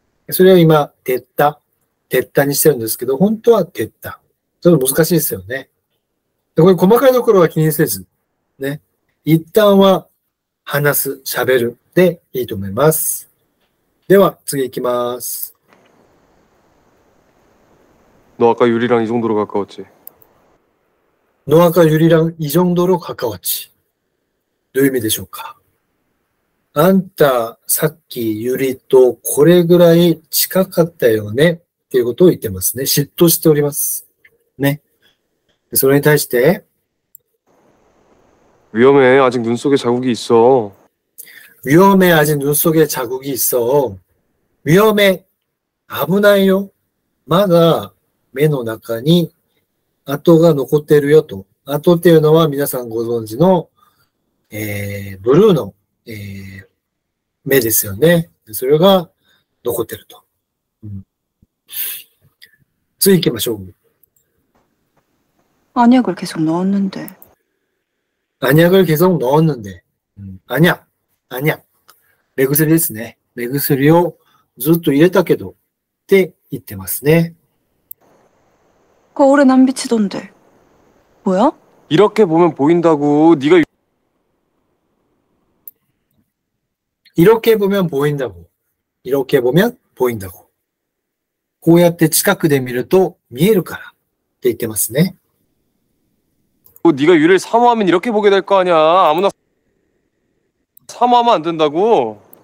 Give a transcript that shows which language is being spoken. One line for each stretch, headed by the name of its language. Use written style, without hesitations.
Japanese: それを今、てったにしてるんですけど、本当はてった。ちょっと難しいですよね。でこれ細かいところは気にせず、ね、一旦は話す、喋るでいいと思います。では、次行きます。
Korean: 너아까유리랑이정도로가까웠지 너아까유리랑이정도로가까웠지
Japanese: どういう意味でしょうかあんた、さっき、ユリとこれぐらい近かったよねっていうことを言ってますね。嫉妬しております。ね。それに対して
Korean: 위험해。 아직눈속에자국이있어。 위험해。아직눈속에자국이있어。 위험해。
Japanese: 危ないよ。まだ、目の中に跡が残ってるよと。跡っていうのは皆さんご存知の、ブルーの、目ですよね。それが残ってると。うん、次行きましょう。
Korean: アニャグル계속넣었는데。アニャグル계속넣었는데。
Japanese: アニャ、アニャ。目薬ですね。目薬をずっと入れたけどって言ってますね。
Korean: 거울에난비치던데뭐야 이렇게보면보인다고네가 이렇게보면보인다고이렇게보면보인다고
Japanese: こうやって近くで見ると見えるからって言ってますね
Korean: 네가유리를사모하면이렇게보게될거아니야아무나사모하면안된다고